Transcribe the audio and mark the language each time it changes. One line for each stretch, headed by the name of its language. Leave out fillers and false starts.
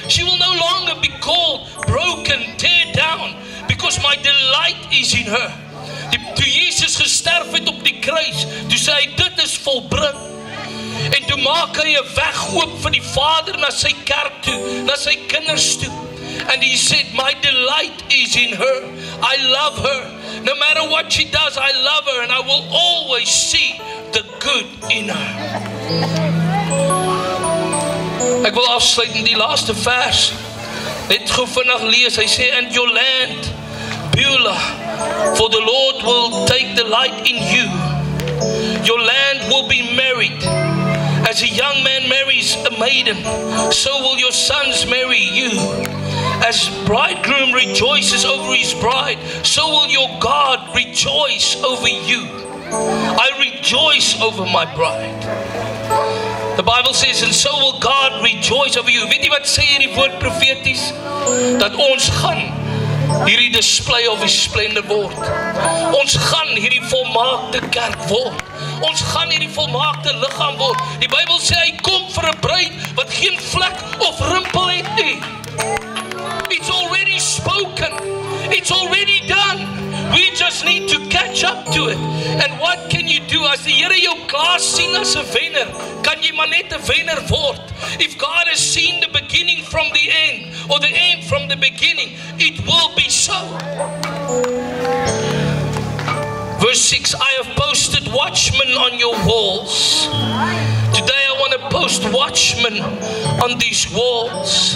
English: She will no longer be called broken, tear down. Because my delight is in her.
Afrikaans: Toe Jesus gesterf het op die kruis, toe sê hy, dit is volbring. En toe maak hy 'n weg oop van die Vader na sy kerk toe, na sy kinders toe.
English: And he said, my delight is in her. I love her. No matter what she does, I love her. And I will always see the good in her.
Afrikaans: Ek wil afsluit in die laaste vers. Net gou vinnig lees. Hy sê,
English: and your land, Beulah, for the Lord will take delight in you. Your land will be married. As a young man marries a maiden, so will your sons marry you. As bridegroom rejoices over his bride, so will your God rejoice over you. I rejoice over my bride. The Bible says, and so will God rejoice over you.
Afrikaans: Weet jy wat sê hierdie woord profeties? Dat ons gaan hierdie
English: display of his splendor
Afrikaans: word. Ons gaan hierdie volmaakte kerk word. Ons gaan hierdie volmaakte liggaam word. Die Bybel sê hy kom vir 'n bruid wat geen vlek of rimpel het nie.
English: It's already spoken. It's already done. We just need to catch up to it. And what can you do?
Afrikaans: As die Here jou klaar sien as 'n wenner, kan jy maar net 'n wenner word.
English: If God has seen the beginning from the end, or the end from the beginning, it will be so. Verse 6, I have posted watchmen on your walls. Today I want to post watchmen on these walls.